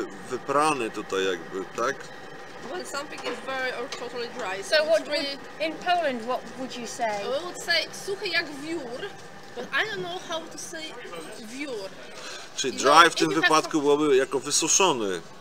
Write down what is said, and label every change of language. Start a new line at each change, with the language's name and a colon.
Polish: wyprany tutaj jakby, tak?
English: When something is very or totally dry. So what really would, in Poland, what would you say? We would say
Polish: suchy jak wiór,
English: but I don't know how to say wiór.
Polish: Czyli dry w tym wypadku byłoby jako wysuszony.